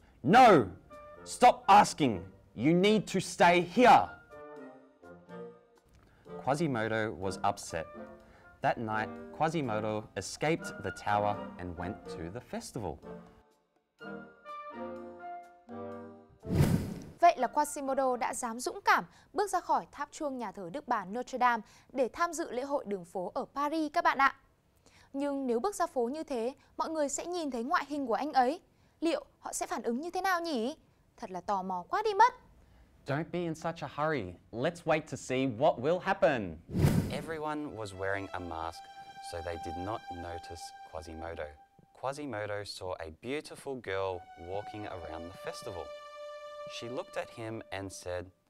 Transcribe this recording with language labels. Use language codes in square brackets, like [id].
[en] No, stop asking. You need to stay here. Quasimodo was upset. That night, Quasimodo escaped the tower and went to the festival. [vi] Vậy là Quasimodo đã dám dũng cảm bước ra khỏi tháp chuông nhà thờ Đức Bà Notre Dame để tham dự lễ hội đường phố ở Paris các bạn ạ. Nhưng nếu bước ra phố như thế, mọi người sẽ nhìn thấy ngoại hình của anh ấy. Liệu họ sẽ phản ứng như thế nào nhỉ? Thật là tò mò quá đi mất. [en] Don't be in such a hurry. Let's wait to see what will happen. Everyone was wearing a mask, so they did not notice Quasimodo. Quasimodo saw a beautiful girl walking around the festival. She looked at him and said,